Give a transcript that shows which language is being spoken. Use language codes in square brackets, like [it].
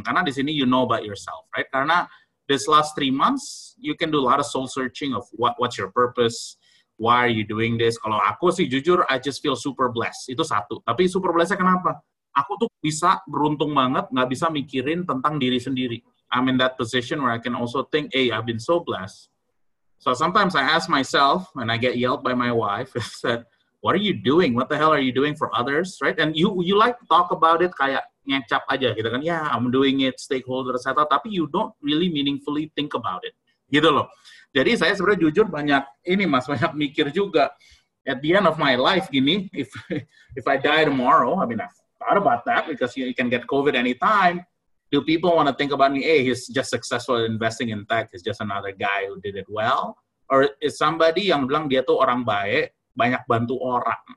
[id] Karena di sini [en] you know about yourself, right? Karena this last 3 months, you can do a lot of soul searching of what's your purpose, why are you doing this. [id] Kalau aku sih jujur, [en] I just feel super blessed. [id] Itu satu. Tapi super blessed-nya kenapa? Aku tuh bisa beruntung banget, gak bisa mikirin tentang diri sendiri. [en] I'm in that position where I can also think, hey, I've been so blessed. So sometimes I ask myself, and I get yelled by my wife, said, what are you doing? What the hell are you doing for others, right? And you like to talk about it [id] kayak ngecap aja gitu kan. [en] Yeah, I'm doing it, stakeholder, etc. Tapi you don't really meaningfully think about it. [id] Gitu loh. Jadi saya sebenarnya jujur banyak ini mas, banyak mikir juga. [en] At the end of my life gini, if I die tomorrow, I mean, I've thought about that because you can get COVID anytime. Do people want to think about me? Hey, he's just successful at investing in tech. He's just another guy who did it well. Or is somebody [id] yang bilang dia tuh orang baik, banyak bantu orang.